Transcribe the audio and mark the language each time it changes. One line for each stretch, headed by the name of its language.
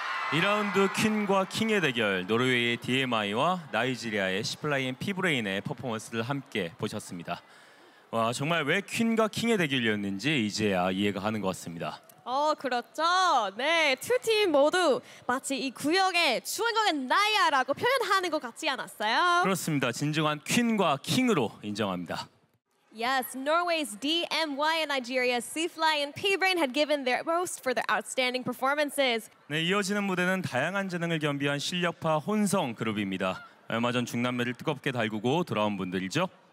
Korean: (2라운드) 퀸과 킹의 대결, 노르웨이의 DMI와 나이지리아의 시플라이인 피브레인의 퍼포먼스를 함께 보셨습니다. 와, 정말 왜 퀸과 킹의 대결이었는지 이제야 이해가 가는 것 같습니다. 그렇죠. 네, 두 팀 모두 마치 이 구역의 주인공의 나야라고 표현하는 것 같지 않았어요? 그렇습니다. 진정한 퀸과 킹으로 인정합니다.
English: Yes, Norway's DMY and Nigeria's Seafly and PBRAIN had given their most for their outstanding performances.
Korean: 네, 이어지는 무대는 다양한 재능을 겸비한 실력파 혼성 그룹입니다. 얼마 전 중남미를 뜨겁게 달구고 돌아온 분들이죠.